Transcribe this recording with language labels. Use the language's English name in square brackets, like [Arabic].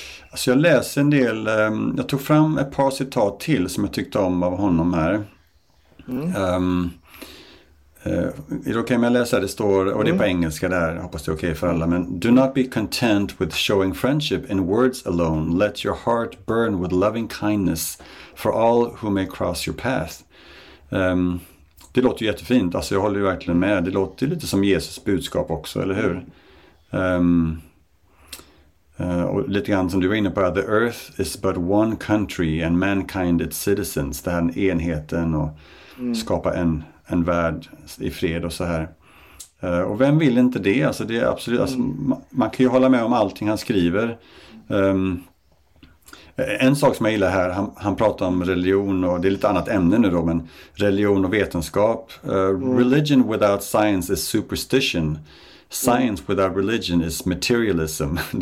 [Swedish] Alltså jag läser en del, jag tog fram ett par citat till som jag tyckte om av honom här. Är det okej om jag läser? Det står, och det är på engelska där, hoppas det är okej för alla. Men [English] do not be content with showing friendship in words alone. Let your heart burn with loving kindness for all who may cross your path. [Swedish] Det låter ju jättefint, alltså jag håller ju verkligen med. Det låter ju lite som Jesus budskap också, eller hur? Och lite grann som du var inne på, [English] the earth is but one country and mankind its citizens. [Swedish] Det här är enheten och skapa en värld i fred och så här. Och vem vill inte det? Alltså det är absolut, alltså man kan ju hålla med om allting han skriver. En sak som jag gillar här, han pratar om religion, och det är lite annat ämne nu då, men religion och vetenskap. [English] Religion without science is superstition. Science without religion is materialism.